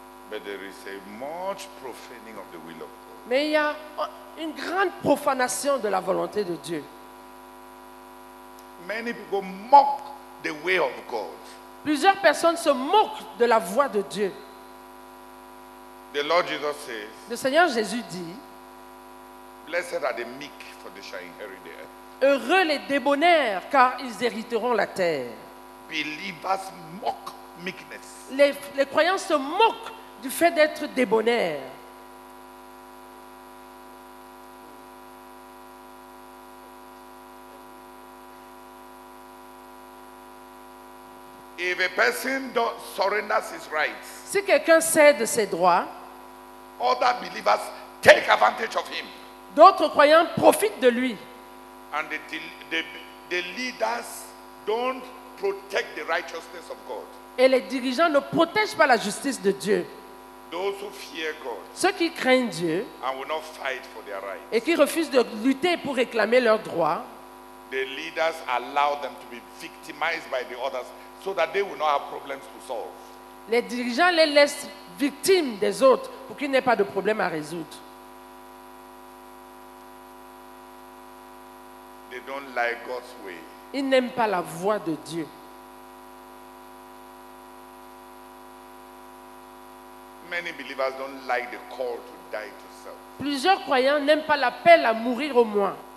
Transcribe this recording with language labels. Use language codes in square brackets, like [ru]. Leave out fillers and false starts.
[en] But there is a much profaning of the will of God. [fr] Mais il y a une grande profanation de la volonté de Dieu. [en] Many people mock the way of God. [fr] Plusieurs personnes se moquent de la voie de Dieu. [en] The Lord Jesus says. [fr] Le Seigneur Jésus dit. [en] Blessed are the meek, for they shall inherit the earth. [fr] Heureux les débonnaires, car ils hériteront la terre. [en] Believers mock meekness. [fr] Les croyants se moquent du fait d'être débonnaires. [en] If a person surrenders his rights, [fr] si quelqu'un cède ses droits, [en] other believers take advantage of him. [fr] D'autres croyants profitent de lui. [en] And the leaders don't protect the righteousness of God. [fr] Et les dirigeants ne protègent pas la justice de Dieu. [en] Those who fear God, [fr] ceux qui craignent Dieu, [en] and will not fight for their rights, [fr] et qui refusent de lutter pour réclamer leurs droits, [en] the leaders allow them to be victimized by the others. So that they will not have problems to solve. [fr] Les dirigeants les laissent victimes des autres pour qu'ils n'aient pas de problème à résoudre. [en] They don't like God's way. [fr] Ils n'aiment pas la voie de Dieu. [en] Many believers don't like the call to die to self. [fr] Plusieurs croyants n'aiment pas l'appel à mourir au moi.